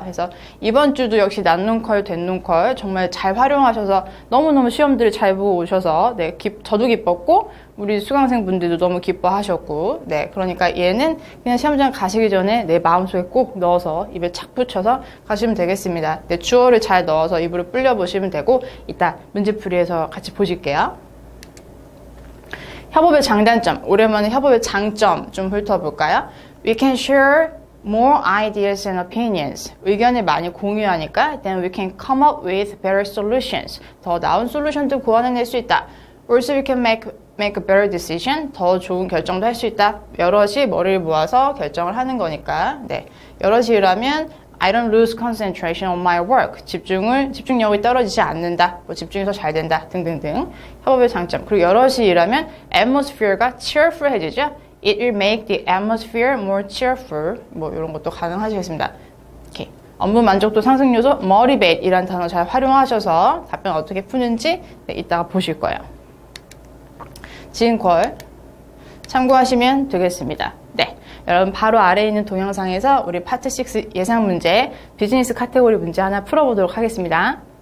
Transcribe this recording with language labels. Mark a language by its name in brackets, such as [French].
[Korean] 그래서 이번 주도 역시 낫눈컬 된눈컬 정말 잘 활용하셔서 너무너무 시험들을 잘 보고 오셔서 네, 저도 기뻤고 우리 수강생분들도 너무 기뻐하셨고 네, 그러니까 얘는 그냥 시험장 가시기 전에 내 마음속에 꼭 넣어서 입에 착 붙여서 가시면 되겠습니다. 네, 주어를 잘 넣어서 입으로 불려보시면 되고 이따 문제풀이에서 같이 보실게요. 협업의 장단점, 오랜만에 협업의 장점 좀 훑어볼까요? [English] We can share more ideas and opinions. [Korean] 의견을 많이 공유하니까 [English] Then we can come up with better solutions. [Korean] 더 나은 솔루션도 구원해낼 수 있다. [English] Also we can make a better decision. [Korean] 더 좋은 결정도 할 수 있다. 여럿이 머리를 모아서 결정을 하는 거니까 네, 여럿이라면 [English] I don't lose concentration on my work. [Korean] 집중력이 떨어지지 않는다. 뭐 집중해서 잘 된다. 등등등. 협업의 장점. 그리고 여럿이 일하면 atmosphere가 cheerful해지죠. [English] It will make the atmosphere more cheerful. [Korean] 뭐 이런 것도 가능하시겠습니다. 이렇게 업무 만족도 상승 요소 motivate이란 단어 잘 활용하셔서 답변 어떻게 푸는지 네, 이따가 보실 거예요. 지금 참고하시면 되겠습니다. 네. 여러분 바로 아래에 있는 동영상에서 우리 파트 6 예상 문제 비즈니스 카테고리 문제 하나 풀어보도록 하겠습니다.